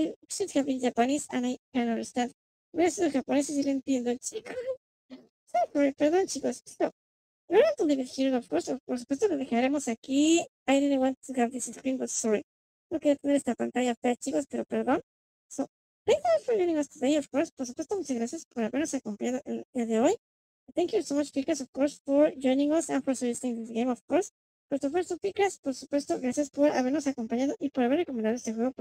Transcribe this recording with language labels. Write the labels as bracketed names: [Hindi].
[English] I should have been Japanese and I can understand. [Spanish] Pero eso es japonés y sí lo entiendo, chicos. [English] Sorry, [Spanish] perdón, chicos. [English] So, we're going to leave it here, of course. [Spanish] Por supuesto, lo dejaremos aquí. [English] I didn't want to have this screen, but sorry. [Spanish] No quería tener esta pantalla fea, chicos, pero perdón. [English] So, thank you for joining us today, of course. [Spanish] Por supuesto, muchas gracias por habernos acompañado el día de hoy. [English] Thank you so much, Picas, of course, for joining us and for suggesting this game, of course. [Spanish] Por supuesto, Picas, por supuesto, gracias por habernos acompañado y por haber recomendado este juego.